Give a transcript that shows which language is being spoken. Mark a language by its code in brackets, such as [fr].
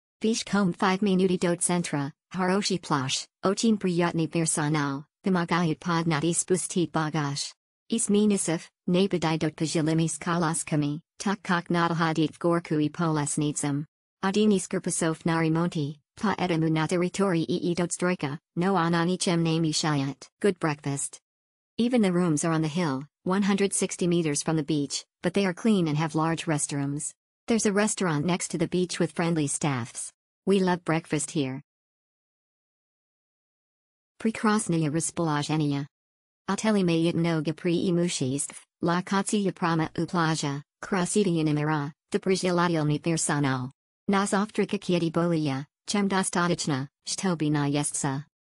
[ru] Пешком 5 минут до центра, хороший плащ, очень приятный персонал, помогают поднять и спустить багаж. Из минусов, не подойдут пожилыми с колясками, так как надо ходить в горку и по лестницам. Один из корпусов на ремонте, поэтому на территории и идут стройка, но она ничем не мешает. [en] Good breakfast. Even the rooms are on the hill, 160 meters from the beach, but they are clean and have large restrooms. There's a restaurant next to the beach with friendly staffs. We love breakfast here. [ru] Прекрасное расположение. Отель имеет много преимуществ, локация прямо у пляжа, красивые номера, доброжелательный персонал. На завтрак кеди более, чем достаточно, чтобы наесться.